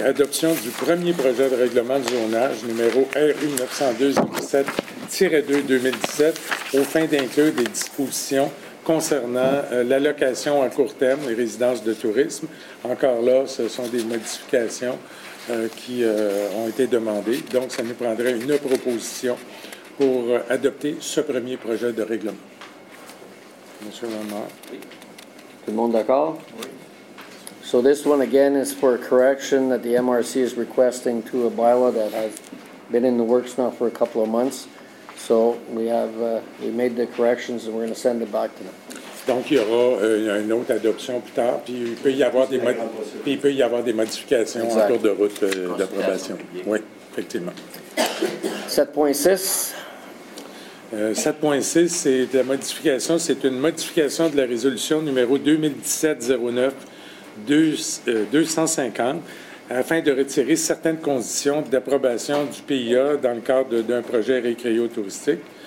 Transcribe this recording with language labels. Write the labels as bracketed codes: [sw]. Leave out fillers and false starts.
[fr] Adoption du premier projet de règlement de zonage numéro RU902-17-2-2017 aux fins d'inclure des dispositions concernant l'allocation à court terme des résidences de tourisme. Encore là, ce sont des modifications qui ont été demandées. Donc, ça nous prendrait une proposition pour adopter ce premier projet de règlement. Monsieur le maire. Oui. Tout le monde d'accord? Oui. [en] So this one again is for a correction that the MRC is requesting to a bylaw that has been in the works now for a couple of months. So we have we made the corrections and we're going to send it back to them. [fr] Donc il y aura une autre adoption plus tard, puis il peut y avoir des modifications [en] exactly. [fr] En cours de route d'approbation. Oui, effectivement. 7.6. 7.6, c'est la modification. C'est une modification de la résolution numéro 2017-09-250 afin de retirer certaines conditions d'approbation du PIA dans le cadre d'un projet récréo-touristique.